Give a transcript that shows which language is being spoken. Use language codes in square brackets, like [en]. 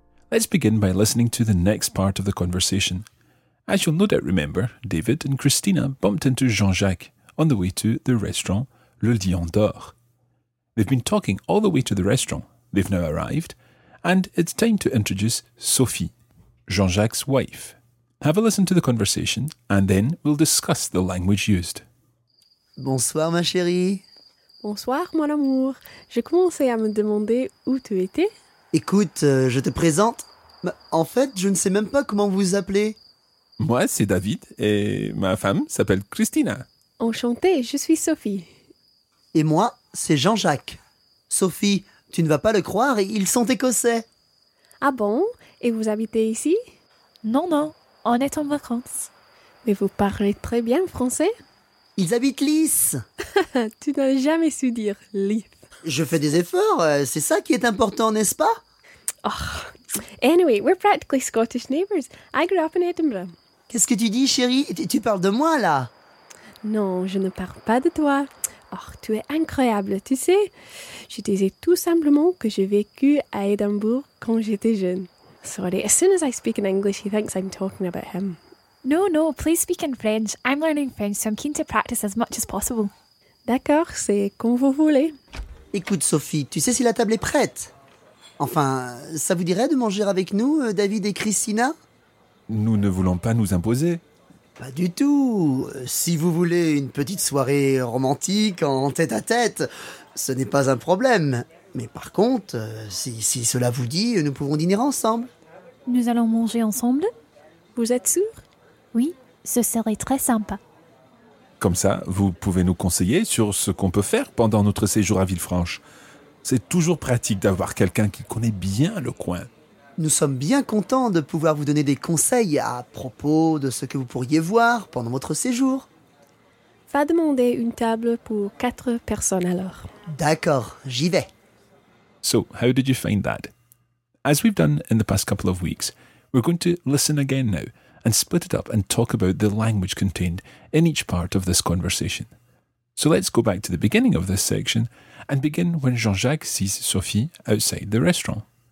[en] Let's begin by listening to the next part of the conversation. As you'll no doubt remember, David and Christina bumped into Jean-Jacques on the way to the restaurant Le Lion d'Or. They've been talking all the way to the restaurant, they've now arrived, and it's time to introduce Sophie, Jean-Jacques' wife. Have a listen to the conversation, and then we'll discuss the language used. [fr] Bonsoir, ma chérie. Bonsoir, mon amour. J'ai commencé à me demander où tu étais. Écoute, je te présente. En fait, je ne sais même pas comment vous appelez. Moi, c'est David et ma femme s'appelle Christina. Enchantée, je suis Sophie. Et moi, c'est Jean-Jacques. Sophie, tu ne vas pas le croire, ils sont écossais. Ah bon? Et vous habitez ici? Non, on est en vacances. Mais vous parlez très bien français. Ils habitent Lys. Tu n'as jamais su dire Lys. Je fais des efforts, c'est ça qui est important, n'est-ce pas? Oh. [en] Anyway, we're practically Scottish neighbours. I grew up in Edinburgh. [fr] Qu'est-ce que tu dis, chérie? Tu parles de moi, là? Non, je ne parle pas de toi. Oh, tu es incroyable, tu sais. Je disais tout simplement que j'ai vécu à Edinburgh quand j'étais jeune. [en] Sorry, as soon as I speak in English, he thinks I'm talking about him. No, please speak in French. I'm learning French, so I'm keen to practice as much as possible. [fr] D'accord, c'est comme vous voulez. Écoute, Sophie, tu sais si la table est prête? Enfin, ça vous dirait de manger avec nous, David et Christina? Nous ne voulons pas nous imposer. Pas du tout. Si vous voulez une petite soirée romantique en tête-à-tête, ce n'est pas un problème. Mais par contre, si cela vous dit, nous pouvons dîner ensemble. Nous allons manger ensemble? Vous êtes sûr? Oui, ce serait très sympa. Comme ça, vous pouvez nous conseiller sur ce qu'on peut faire pendant notre séjour à Villefranche. C'est toujours pratique d'avoir quelqu'un qui connaît bien le coin. Nous sommes bien contents de pouvoir vous donner des conseils à propos de ce que vous pourriez voir pendant votre séjour. Va demander une table pour 4 personnes alors. D'accord, j'y vais. [en] So, how did you find that? As we've done in the past couple of weeks, we're going to listen again now and split it up and talk about the language contained in each part of this conversation. So let's go back to the beginning of this section and begin when Jean-Jacques sees Sophie outside the restaurant.